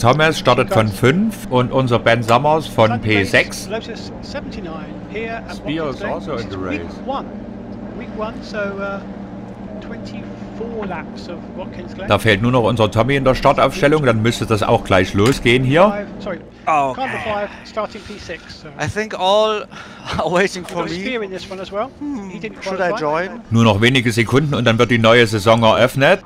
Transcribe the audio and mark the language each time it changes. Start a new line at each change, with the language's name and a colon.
German: Thomas startet von 5 und unser Ben Summers von P6.
English: Lotus 79 here at Spears also in the race. Week one, so 24 laps of Watkins Glen.
German: Da fehlt nur noch unser Tommy in der Startaufstellung, dann müsste das auch gleich losgehen hier.
English: Okay. Starting P6. So. I think all are waiting for me. Spear in this one as well. Should I join?
German: Nur noch wenige Sekunden und dann wird die neue Saison eröffnet.